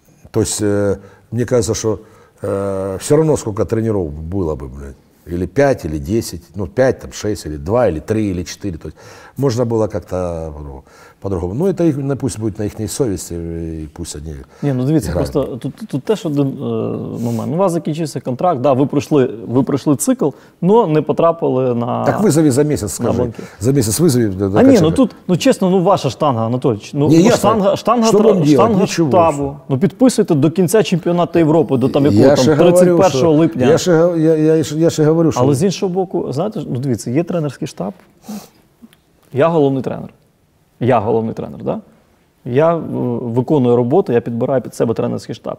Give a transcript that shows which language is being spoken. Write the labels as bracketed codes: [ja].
[ru] То есть, мне кажется, что все равно, сколько тренеров было бы, блядь, или 5, или 10, ну, 5, там, 6, или 2, или 3, или 4, то есть, можно было как-то по-другому. Ну, это их, пусть будет на их совести, и пусть они [uk] не, ну, дивіться, [ru] играют. [uk] Просто тут теж один момент. У вас закінчився контракт, да, ви пройшли цикл, но не потрапили на... [ru] Так вызови за месяц, скажи. За месяц вызови. А, качака. Не, ну тут, ну, честно, ну, ваша штанга, Анатолич. Ну, не, штанга ничего, штабу. Все. [uk] Ну, підписуйте до кінця чемпіонату Європи, до там якого, там, 31 липня. Я ще говорю, що... Але з іншого боку, знаєте, ну, дивіться, є тренерський штаб, я головний тренер. Я головний тренер, да? Я виконую роботу, я підбираю під себе тренерський штаб.